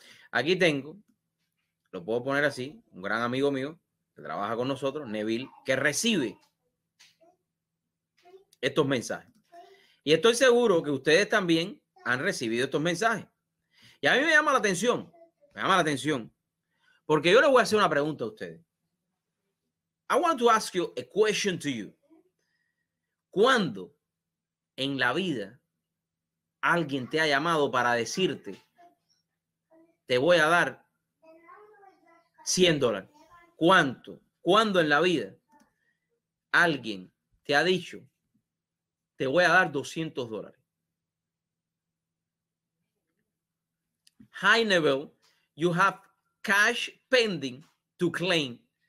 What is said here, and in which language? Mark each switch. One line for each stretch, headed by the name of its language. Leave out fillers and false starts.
Spanish: Aquí tengo, lo puedo poner así, un gran amigo mío que trabaja con nosotros, Neville, que recibe estos mensajes. Y estoy seguro que ustedes también han recibido estos mensajes. Y a mí me llama la atención, porque yo les voy a hacer una pregunta a ustedes.
English: I want to ask you a question to you.
Spanish: ¿Cuándo en la vida alguien te ha llamado para decirte, te voy a dar $100? ¿Cuánto? ¿Cuándo en la vida alguien te ha dicho, te voy a dar $200?
English: Hi Neville, you have cash pending to claim.